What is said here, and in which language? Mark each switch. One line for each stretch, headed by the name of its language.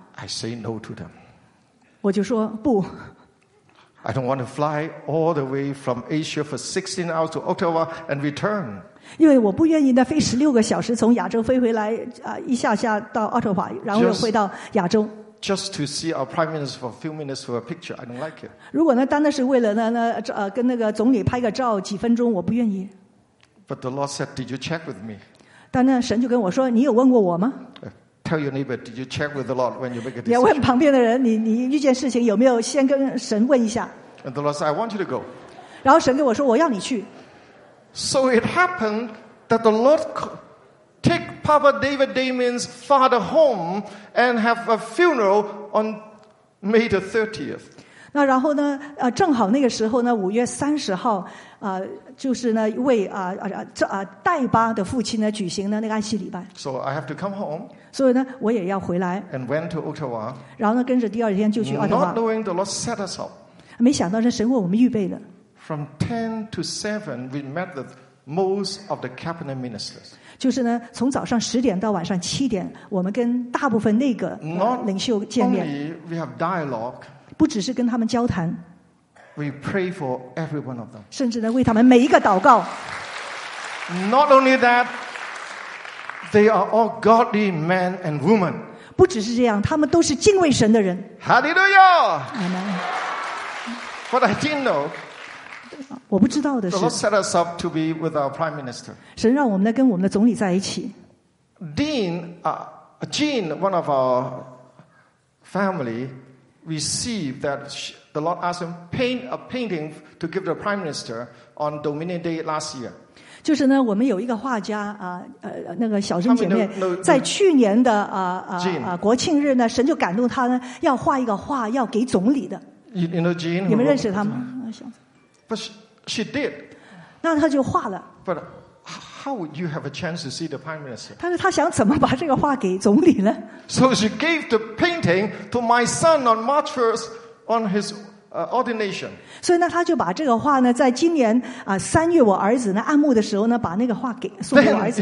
English: I say no to them.
Chinese: 我就说不。
English: I don't want to fly all the way from Asia for 16 hours to Ottawa and return.
Chinese: 因为我不愿意呢飞16个小时从亚洲飞回来，一下下到渥太华，然后又回到亚洲。
English: Just to see our prime minister for a few minutes for a picture, I don't like it.
Chinese: 如果呢，单单是为了呢，跟那个总理拍个照几分钟，我不愿意。
English: But the Lord said, "Did you check with me?"
Chinese: 但呢，神就跟我说，你有问过我吗
English: ？Tell your neighbor, "Did you check with the Lord when you make a decision?"
Chinese: 你要问旁边的人，你遇见事情有没有先跟神问一下
English: ？And the Lord said, "I want you to go."
Chinese: 然后神跟我说，我要你去。
English: So it happened that the Lord took Papa David Damien's father home and have a funeral on May the 30th.
Chinese: 那然后呢？正好那个时候呢，5月30日，就是呢，为代巴的父亲呢举行了那个安息礼拜。
English: So I have to come home.
Chinese: 所以呢，我也要回来。
English: And went to Ottawa.
Chinese: 然后呢，跟着第二天就去渥太华。
English: Not knowing the Lord set us up.
Chinese: 没想到是神为我们预备的。
English: From 10 to 7, we met with most of the cabinet ministers.
Chinese: 就是呢，从早上10点到晚上7点，我们跟大部分那个领袖见面。
English: Not only we have dialogue,
Chinese: 不只是跟他们交谈。
English: We pray for every one of them.
Chinese: 甚至呢，为他们每一个祷告。
English: Not only that, they are all godly men and women.
Chinese: 不只是这样，他们都是敬畏神的人。
English: Hallelujah. Amen. But I didn't know.
Chinese: 我不知道的是
English: The Lord set us up to be with our Prime Minister.
Chinese: 神让我们跟我们的总理在一起。
English: Jean, one of our family, received that the Lord asked him paint a painting to give the Prime Minister on Dominion Day last year.
Chinese: 就是呢，我们有一个画家那个小珍姐妹，在去年的国庆日呢，神就感动她呢，要画一个画要给总理的。
English: You know Jean?
Chinese: 你们认识他吗？
English: But she did.
Chinese: 那他就画了。
English: But how would you have a chance to see the prime minister?
Chinese: 但是他想怎么把这个画给总理呢
English: ？So she gave the painting to my son on March 1st on his ordination.
Chinese: 所以呢，他就把这个画呢，在今年三月我儿子呢按摩的时候呢，把那个画给送给我儿子。